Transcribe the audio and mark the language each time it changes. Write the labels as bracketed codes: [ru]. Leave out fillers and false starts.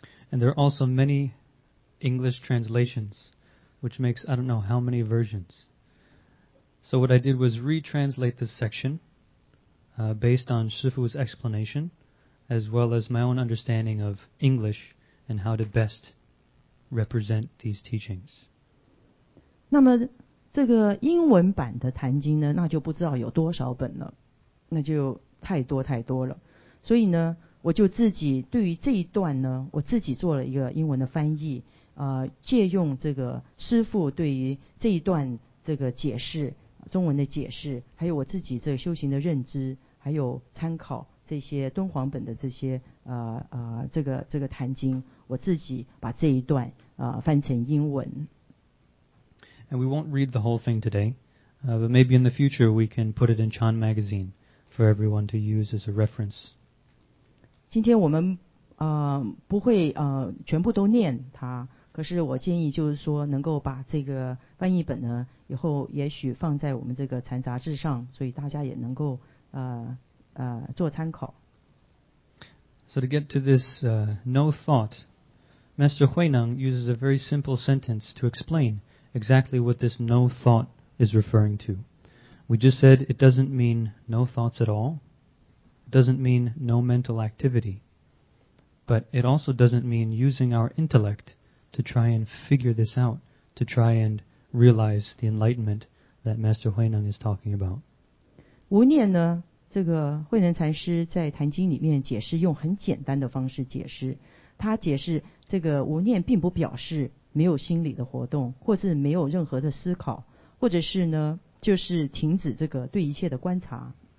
[en] And there are also many English translations, which makes I don't know how many versions. So what I did was retranslate this section based on Shifu's explanation as well as my own understanding of English and how to best represent these teachings. [zh] 那么这个英文版的坛经呢，那就不知道有多少本了，那就太多太多了。所以呢，我就自己对于这一段呢，我自己做了一个英文的翻译，借用这个师父对于这一段这个解释中文的解释，还有我自己这个修行的认知，还有参考这些敦煌本的这些这个坛经，我自己把这一段翻成英文。 [en] And we won't read the whole thing today, but maybe in the future we can put it in Chan Magazine for everyone to use as a reference. [zh] 今天我们不会全部都念它。可是我建议就是说能够把这个翻译本呢以后也许放在我们这个禅杂志上，所以大家也能够做参考。 [en] So to get to this no thought, Master Huineng uses a very simple sentence to explain exactly what this no thought is referring to. We just said it doesn't mean no thoughts at all. It doesn't mean no mental activity. But it also doesn't mean using our intellect to try and figure this out, to try and realize the enlightenment that Master Huineng is talking about. [zh] 无念呢，这个慧能禅师在《坛经》里面解释，用很简单的方式解释。他解释这个无念并不表示没有心理的活动，或是没有任何的思考，或者是呢，就是停止这个对一切的观察。